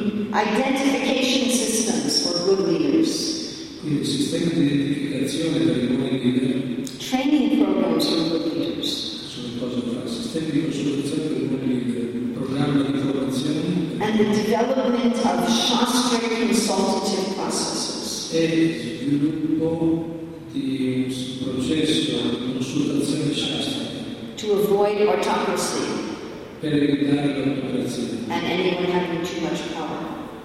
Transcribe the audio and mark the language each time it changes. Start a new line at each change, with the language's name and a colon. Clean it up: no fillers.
English: Identification systems for good leaders.
Italian: Quindi sistemi di identificazione per i buoni leader.
English: Training programs for good leaders.
Italian: Sono cose da fare. Sistemi di consultazione per i buoni leader. Programma di formazione.
English: And the development of Shastra consultative processes.
Italian: E sviluppo di un processo di consultazione Shastra.
English: To avoid autocracy.
Italian: Per evitare l'autocrazia.
English: And anyone having too much power.